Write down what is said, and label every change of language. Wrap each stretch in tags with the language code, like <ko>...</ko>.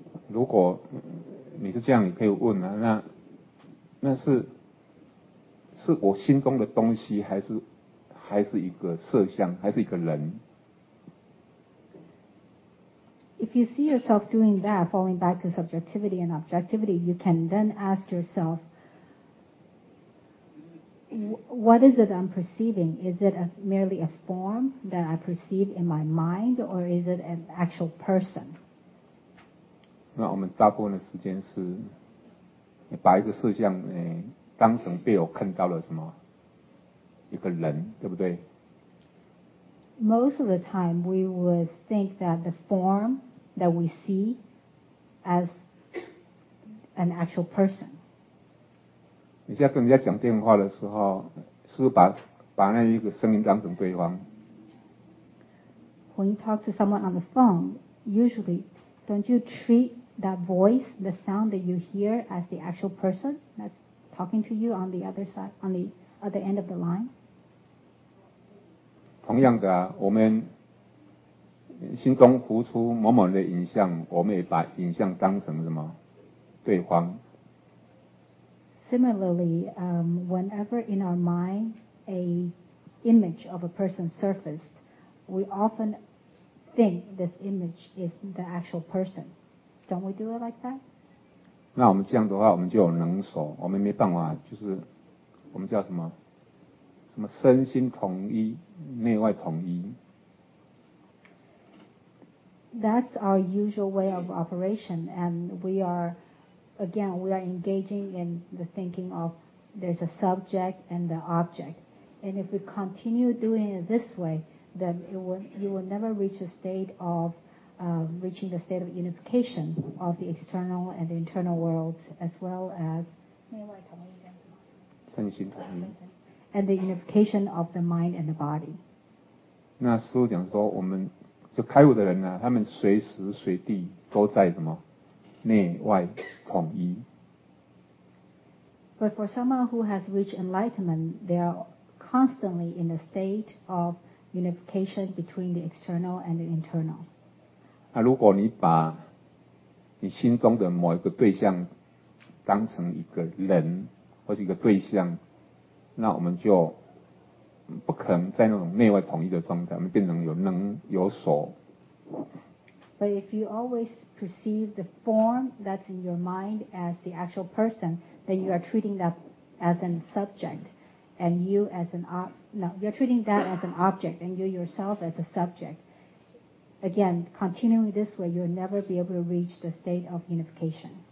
<zh>如果你是这样，你可以问啊，那是是我心中的东西，还是一个色相，还是一个人？</zh> <en>If you see yourself doing that, falling back to subjectivity and objectivity, you can then ask yourself, what is it I'm perceiving? Is it merely a form that I perceive in my mind, or is it an actual person?</en> <zh>那我们大部分的时间是把一个色相当成被我看到了什么一个人，对不对？</zh> <en>Most of the time, we would think that the form that we see as an actual person.</en> <zh>你现在跟人家讲电话的时候，是不是把那一个声音当成对方？</zh> <en>When you talk to someone on the phone, usually, don't you treat that voice, the sound that you hear, as the actual person that's talking to you on the other side, on the other end of the line?</en> <zh>同样的啊，我们心中浮出某某的影像，我们也把影像当成什么对方。</zh> <en>Similarly, whenever in our mind an image of a person surfaced, we often think this image is the actual person. Don't we do it like that?</en> <zh>那我们这样的话，我们就有能所，我们没办法，就是我们叫什么？什么身心统一，内外统一。</zh> <en>That's our usual way of operation, and we are, again, we are engaging in the thinking of there's a subject and the object. And if we continue doing it this way, then you will never reach a state of reaching the state of unification of the external and the internal worlds, as well as</en> <zh>内外统一身心统一</zh> <en>and the unification of the mind and the body.</en> <zh>那师父讲说我们就开悟的人呢，他们随时随地都在什么内外统一。</zh> <en>But for someone who has reached enlightenment, they are constantly in a state of unification between the external and the internal.</en> <zh>那如果你把你心中的某一个对象当成一个人或是一个对象，那我们就不可能在那种内外统一的状态，我们变成有能有所。</zh> <en>But if you always perceive the form that's in your mind as the actual person, then you are treating that as an subject, and you as an you're treating that as an object, and you yourself as a subject. Again, continuing this way, you'll never be able to reach the state of unification.</en>